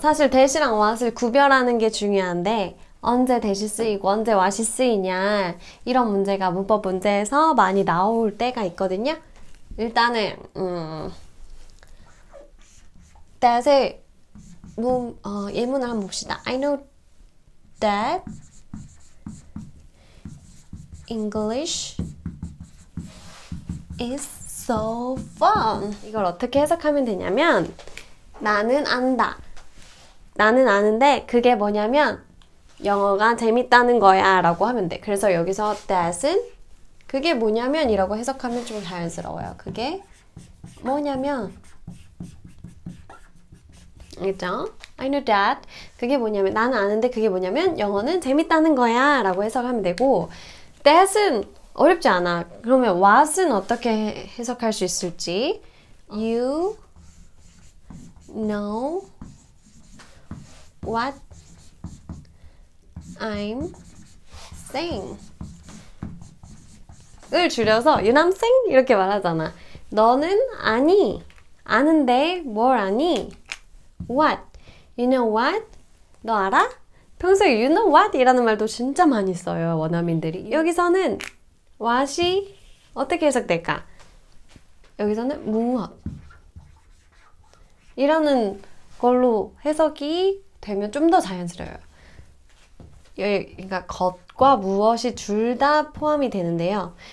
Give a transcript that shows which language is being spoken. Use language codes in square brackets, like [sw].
[ko] 사실 that이랑 what을 구별하는 게 중요한데 언제 that이 쓰이고 언제 what이 쓰이냐 이런 문제가 문법 문제에서 많이 나올 때가 있거든요. 일단은 that의 예문을 한번 봅시다. [en] I know that English is so fun. [ko] 이걸 어떻게 해석하면 되냐면, 나는 안다. 나는 아는데, 그게 뭐냐면, 영어가 재밌다는 거야. 라고 하면 돼. 그래서 여기서 that은, 그게 뭐냐면, 이라고 해석하면 좀 자연스러워요. 그게 뭐냐면, 알겠죠? [en] I know that. [ko] 그게 뭐냐면, 나는 아는데, 그게 뭐냐면, 영어는 재밌다는 거야. 라고 해석하면 되고, That은 어렵지 않아. 그러면 what은 어떻게 해석할 수 있을지? [en] You know what I'm saying. [ko] 을 줄여서 [en] you know I'm saying? [ko] 이렇게 말하잖아. 너는 아니. 아는데 뭘 아니? What? [en] You know what? [ko] 너 알아? 평소에 [en] you know what? [ko] 이라는 말도 진짜 많이 써요, 원어민들이. 여기서는 what이 어떻게 해석될까? 여기서는 무엇? 이라는 걸로 해석이 되면 좀더 자연스러워요. 그러니까 것과 무엇이 둘다 포함이 되는데요.